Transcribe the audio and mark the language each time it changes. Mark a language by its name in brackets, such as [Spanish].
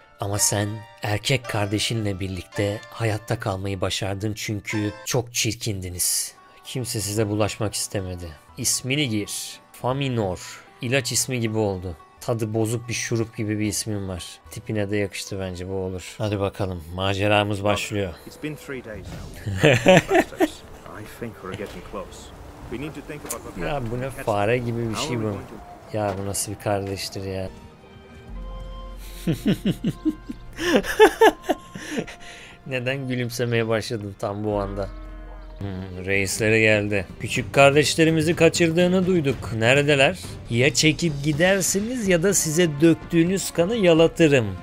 [Turkish] Ama sen erkek kardeşinle birlikte hayatta kalmayı başardın çünkü çok çirkindiniz. Kimse size bulaşmak istemedi. İsmini gir. Faminor. İlaç ismi gibi oldu. Tadı bozuk bir şurup gibi bir ismim var. Tipine de yakıştı bence bu olur. Hadi bakalım maceramız başlıyor. [English] It's been 3 days now. I think we're getting close. We need to think about what. [Turkish] Ya bu ne fare gibi bir şey bu. Ya bu nasıl bir kardeştir ya. Neden gülümsemeye başladım tam bu anda? Reislere geldi. Küçük kardeşlerimizi kaçırdığını duyduk. Neredeler? Ya çekip gidersiniz ya da size döktüğünüz kanı yalatırım.